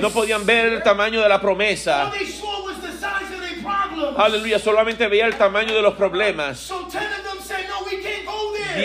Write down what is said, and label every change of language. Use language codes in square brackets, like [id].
[es] No podían ver el tamaño de la promesa. [en] All they saw was the size of their problems. [es] Aleluya, solamente veía el tamaño de los problemas. [en] So 10 of them said, no, we can't go there.